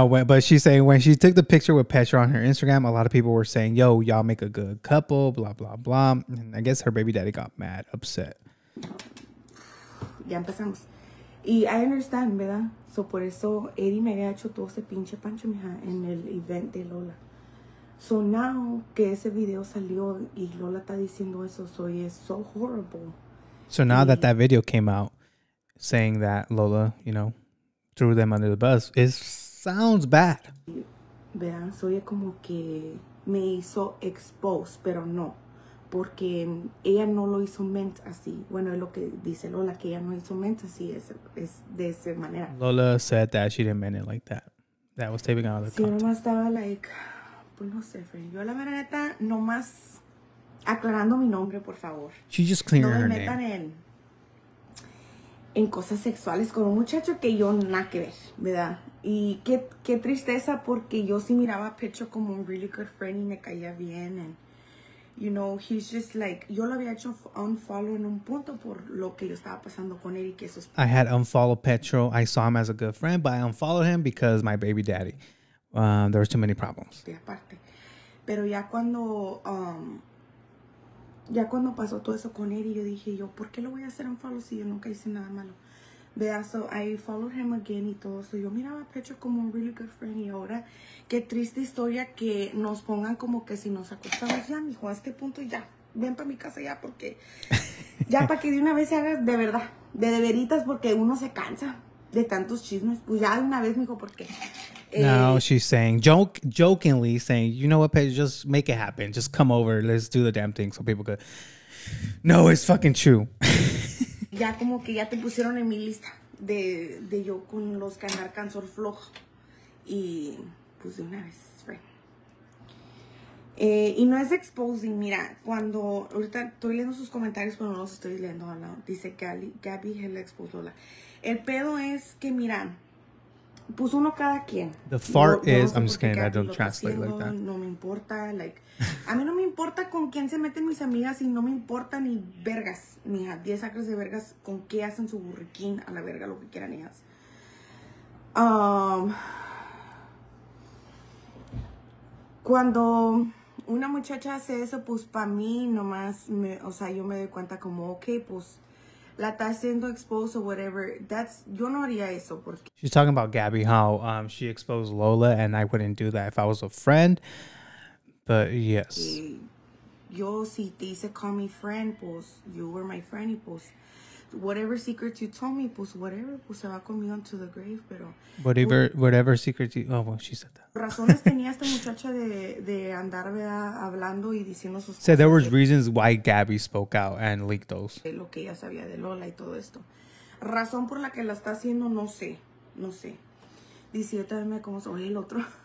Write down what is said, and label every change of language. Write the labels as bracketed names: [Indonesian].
[English] No, but she's saying when she took the picture with Petra on her Instagram, a lot of people were saying, yo, y'all make a good couple, blah, blah, blah. And I guess her baby daddy got mad, upset. [Spanish] Ya empezamos. Y [English] I understand, [Spanish] ¿verdad? So, por eso, Eddie me había hecho todo ese pinche pancho, mija, en el event de Lola. So, now que ese video salió y Lola está diciendo eso, so, [English] it's so horrible. So, now that that video came out saying that Lola, you know, threw them under the bus. It sounds bad. [Spanish] Vean, soy como que me hizo expose, pero no. Porque ella no lo hizo meant así. Bueno, es lo que dice Lola, que ella no hizo meant así. Es de esa manera. [English] Lola said that she didn't mean it like that. That was taping out of the [Spanish] context. Sí, nomás estaba like, pues no sé, friend. Yo la verdad, neta, nomás aclarando mi nombre, por favor. [English] She just cleared her name. [Spanish] No me metan en cosas sexuales con un muchacho que yo nada que ver, ¿verdad? Y qué tristeza porque yo sí miraba a Petro como un [English] really good friend [Spanish] y me caía bien. [English] And, you know, he's just like, [Spanish] yo lo había hecho unfollow en un punto por lo que yo estaba pasando con él y que eso es... [English] I had unfollowed Petro. I saw him as a good friend, but I unfollowed him because my baby daddy. There were too many problems. [Spanish] De aparte. Pero ya cuando... ya cuando pasó todo eso con Eddie, yo dije yo, ¿por qué lo voy a hacer un follow si yo nunca hice nada malo? Vea, [English] so I followed him again [Spanish] y todo eso. Yo miraba a Petro como un [English] really good friend [Spanish] y ahora, qué triste historia que nos pongan como que si nos acostamos ya, mijo, a este punto ya, ven para mi casa ya porque, ya para que de una vez se haga de verdad, de veritas porque uno se cansa de tantos chismes. Pues ya de una vez, mijo, porque... [English] Now she's saying, jokingly saying, you know what, Petro, just make it happen. Just come over. Let's do the damn thing so people could. No, it's fucking true. [Spanish] Ya como que ya te pusieron en mi lista de yo con los que andar cansor flojo. Y pues de una vez, friend. Y no es exposing. Mira, cuando ahorita estoy leyendo sus comentarios, pero no los estoy leyendo. No, dice Gabby, Hella exposed Lola. El pedo es que, mira, pues uno cada quien. [English] The fart no, is, no, I'm just kidding, I don't translate siendo, like that. [Spanish] No me importa, like, a mí no me importa con quién se meten mis amigas y no me importa ni vergas, mija, 10 acres de vergas, con qué hacen su burriquín a la verga, lo que quieran ellas. Cuando una muchacha hace eso, pues para mí nomás, o sea, yo me doy cuenta como, ok, pues, la está siendo exposed o whatever. That's, yo no haría eso porque... [English] She's talking about Gabby, how she exposed Lola and I wouldn't do that if I was a friend. But yes. [Spanish] Y yo si te hice call me friend, pues [English] you were my friend [Spanish] y pues [English] whatever secrets you told me, [Spanish] pues whatever, pues se va conmigo [English] into the grave, [Spanish] pero... [English] Whatever, pues, whatever secrets you... Oh, well, she said that. [Spanish] Razones tenía esta muchacha de andar, ¿verdad? Hablando y diciendo sus... [English] So there was reasons why Gabby spoke out and leaked those. [Spanish] De lo que ella sabía de Lola y todo esto. Razón por la que la está haciendo, no sé. No sé. Dice, yo también me como... Oye, el otro...